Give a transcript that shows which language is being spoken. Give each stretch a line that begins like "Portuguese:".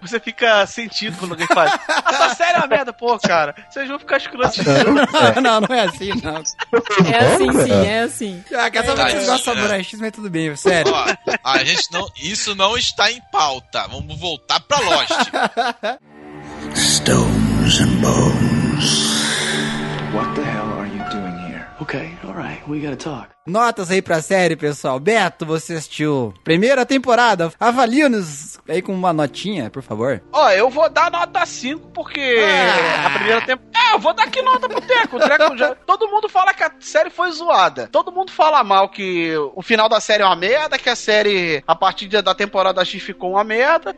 Portuguese: Você fica sentido quando alguém fala, essa série é uma merda, pô, cara, vocês vão ficar escrotizando. Não, não é assim, não. É assim, sim, é assim. Ah, quer saber se gosta de Samurai X, mas tudo bem, sério. Ó, a gente não, isso não está em pauta, vamos voltar pra Lost.
English: Stones and Bones. What the hell are you doing here? Okay, alright, we gotta talk.
Portuguese: Notas aí pra série, pessoal. Beto, você assistiu primeira temporada. Avalia-nos aí com uma notinha, por favor. Ó, eu vou dar nota 5, porque a primeira temporada... eu vou dar que nota pro Teco. O Teco já... Todo mundo fala que a série foi zoada. Todo mundo fala mal que o final da série é uma merda, que a série, a partir da temporada X, ficou uma merda.